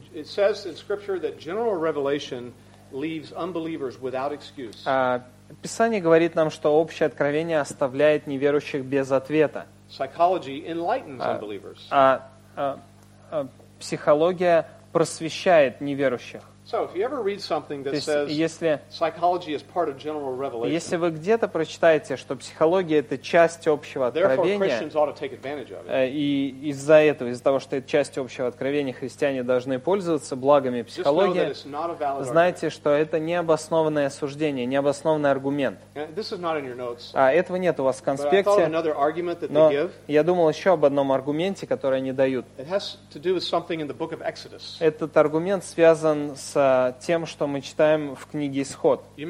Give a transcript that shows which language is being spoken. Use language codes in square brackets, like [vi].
[en] It says in scripture that general revelation leaves unbelievers without excuse. [ru] Писание говорит нам, что общее откровение оставляет неверующих без ответа. [en] Psychology enlightens unbelievers. [ru] Психология просвещает неверующих. [en] So, if you ever read something that says psychology is part of general revelation, [ru] если вы где-то прочитаете, что психология это часть общего откровения, [en] therefore Christians ought to take advantage of it. [ru] И из-за этого, из-за того, что это часть общего откровения, христиане должны пользоваться благами психологии, знайте, что это необоснованное осуждение, необоснованный аргумент. [en] This is not in your notes. [ru] Этого нет у вас в конспекте. [en] But I thought of another argument that they give. [ru] Но я думал еще об одном аргументе, который они дают. [en] It has to do with something in the book of Exodus. [ru] Этот аргумент связан с тем, что мы читаем в книге Исход.